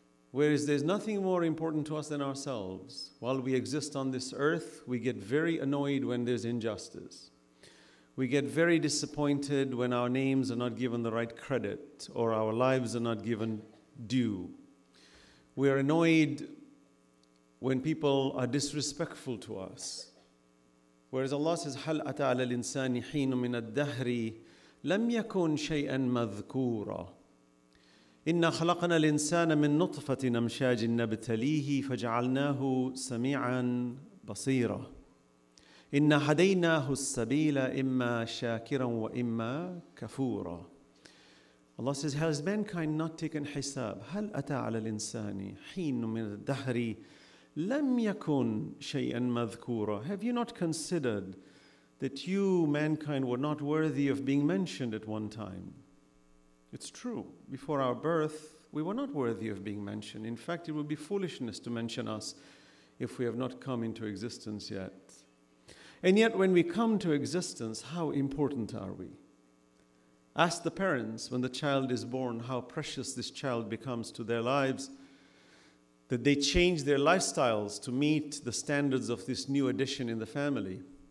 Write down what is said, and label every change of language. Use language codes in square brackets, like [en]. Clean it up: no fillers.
[en] Whereas there's nothing more important to us than ourselves. While we exist on this earth, we get very annoyed when there's injustice. We get very disappointed when our names are not given the right credit or our lives are not given due. We are annoyed when people are disrespectful to us. Whereas Allah says, [ar] هَلْ أَتَى عَلَى الْإِنسَانِ حِينُ مِنَ الدَّهْرِ لَمْ يَكُنْ شَيْئًا مَذْكُورًا إِنَّا خَلَقْنَا الْإِنسَانَ مِنْ نُطْفَةٍ أَمْشَاجٍ نَبْتَلِيهِ فَجَعَلْنَاهُ سَمِيعًا بَصِيرًا إِنَّا هَدَيْنَاهُ السَّبِيلَ إِمَّا شَاكِرًا وَإِمَّا كَفُورًا [en] Allah says, has mankind not taken [ar] حساب؟ هَلْ أَتَى عَلَى الْإِنسَانِ حِينُ مِنَ الدَّهْرِ لَمْ يَكُنْ شَيْئًا مَذْكُورًا [en] Have you not considered that you, mankind, were not worthy of being mentioned at one time? It's true. Before our birth, we were not worthy of being mentioned. In fact, it would be foolishness to mention us if we have not come into existence yet. And yet, when we come to existence, how important are we? Ask the parents when the child is born how precious this child becomes to their lives, that they change their lifestyles to meet the standards of this new addition in the family.